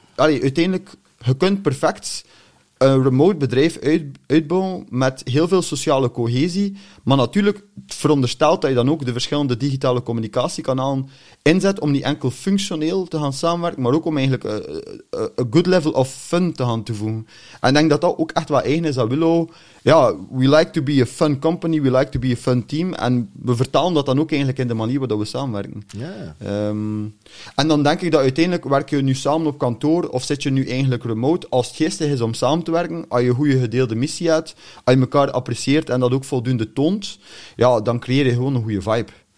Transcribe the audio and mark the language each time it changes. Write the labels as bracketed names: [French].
[Dutch] Allee, uiteindelijk, je kunt perfect een remote bedrijf uitbouwen met heel veel sociale cohesie. Maar natuurlijk veronderstelt dat je dan ook de verschillende digitale communicatiekanalen inzet om niet enkel functioneel te gaan samenwerken, maar ook om eigenlijk een [English] good level of fun [Dutch] te gaan toevoegen. En ik denk dat dat ook echt wat eigen is aan Willow. Ja, [English] we like to be a fun company, we like to be a fun team. [Dutch] En we vertalen dat dan ook eigenlijk in de manier waarop we samenwerken. [English] Yeah. [Dutch] En dan denk ik dat uiteindelijk werk je nu samen op kantoor of zit je nu eigenlijk remote. Als het geestig is om samen te werken, als je een goede gedeelde missie hebt, als je elkaar apprecieert en dat ook voldoende toont, ja, dan creëer je gewoon een goede vibe.